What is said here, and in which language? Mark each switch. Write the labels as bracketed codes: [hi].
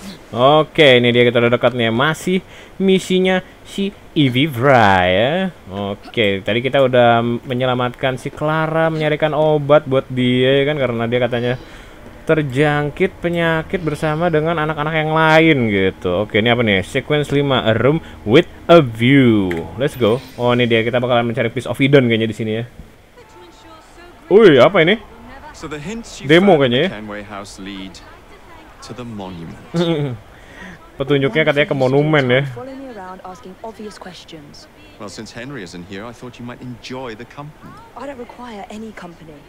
[id] Oke, ini dia, kita udah dekat nih. Masih misinya si Evie Vry ya. Oke, tadi kita udah menyelamatkan si Clara, menyarikan obat buat dia ya kan, karena dia katanya terjangkit penyakit bersama dengan anak-anak yang lain gitu. Oke, ini apa nih? [en] Sequence 5, A Room with a View. Let's go. [id] Oh, ini dia, kita bakalan mencari Piece of Eden kayaknya di sini ya. Wih, apa ini? [en] So the hints you demo [id] kayaknya ya. [en] Kenway House lead to the monument. [id] Petunjuknya katanya ke monumen ya. [en] Well, since Henry isn't here, I thought you might enjoy the company. I don't require any company.